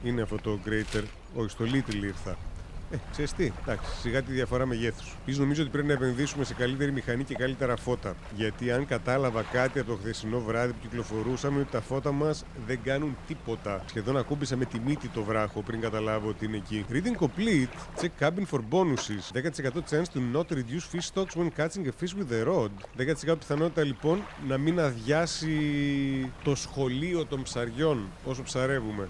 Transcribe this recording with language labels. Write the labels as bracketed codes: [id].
[el] Είναι αυτό το Greater. Όχι, στο Little ήρθα. Ξέρεις τι. Εντάξει, σιγά τη διαφορά μεγέθους. Επίσης νομίζω ότι πρέπει να επενδύσουμε σε καλύτερη μηχανή και καλύτερα φώτα. Γιατί αν κατάλαβα κάτι από το χθεσινό βράδυ που κυκλοφορούσαμε, ότι τα φώτα μας δεν κάνουν τίποτα. Σχεδόν ακούμπησα με τη μύτη το βράχο πριν καταλάβω ότι είναι εκεί. [en] Reading complete. Check cabin for bonuses. 10% chance to not reduce fish stocks when catching a fish with the rod. [el] 10% πιθανότητα λοιπόν να μην αδειάσει το σχολείο των ψαριών όσο ψαρεύουμε.